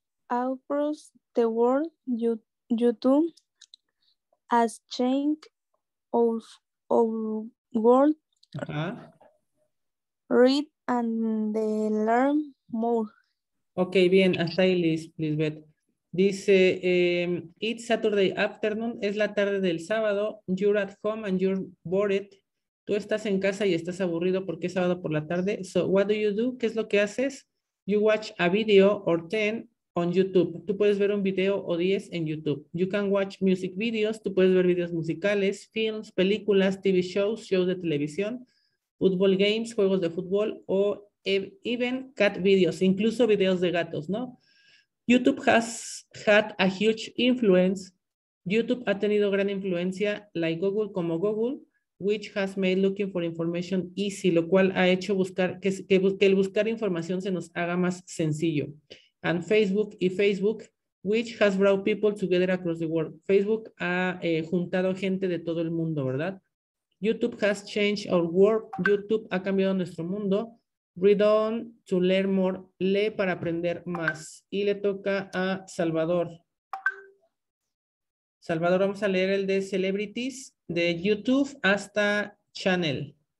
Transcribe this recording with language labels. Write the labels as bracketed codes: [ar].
[en] across the world. YouTube has changed of world. Uh-huh. Read and learn more. [es] Okay, bien, hasta ahí, Lisbeth. [en] Dice, it's Saturday afternoon, [es] es la tarde del sábado, [en] you're at home and you're bored. [es] Tú estás en casa y estás aburrido porque es sábado por la tarde. [en] So, what do you do? [es] ¿Qué es lo que haces? [en] You watch a video or 10 on YouTube. [es] Tú puedes ver un video o 10 en YouTube. [en] You can watch music videos. [es] Tú puedes ver videos musicales, films, películas, TV shows, shows de televisión, football games, juegos de fútbol, o even cat videos, incluso videos de gatos, ¿no? [en] YouTube has had a huge influence. [es] YouTube ha tenido gran influencia, [en] like Google, [es] como Google, [en] which has made looking for information easy, [es] lo cual ha hecho buscar que el buscar información se nos haga más sencillo. [en] And Facebook, [es] y Facebook, [en] which has brought people together across the world. [es] Facebook ha juntado gente de todo el mundo, ¿verdad? [en] YouTube has changed our world. [es] YouTube ha cambiado nuestro mundo. [en] Read on to learn more. [es] Lee para aprender más. Y le toca a Salvador. Salvador, vamos a leer el de celebrities de YouTube hasta channel.